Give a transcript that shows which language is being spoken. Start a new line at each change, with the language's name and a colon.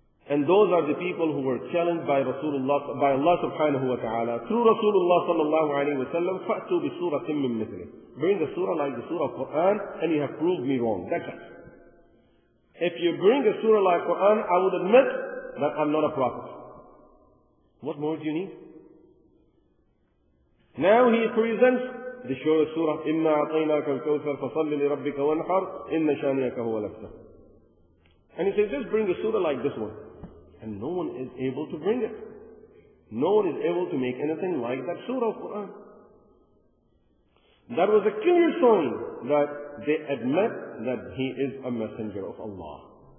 English: And those are the people who were challenged by Rasulullah, by Allah subhanahu wa ta'ala, through Rasulullah sallallahu alayhi wa sallam,
Arabic: فَأْتُوا بِسُورَةٍ مِّن مِّثْلِهِ.
English: Bring a surah like the surah of Quran, and you have proved me wrong. That's it. If you bring a surah like Quran, I would admit that I'm not a prophet. What more do you need? Now he presents the surah,
Arabic: إِنَّا عَطَيْنَاكَ الْكَوْثَرَ فَصَلِّ لِرَبِّكَ وَانْحَرْ إِنَّ شَانِيَكَ هُوَ الْأَبْتَرُ.
English: And he says, just bring a surah like this one. And no one is able to bring it. No one is able to make anything like that surah of Quran. That was a clear sign that they admit that he is a messenger of Allah.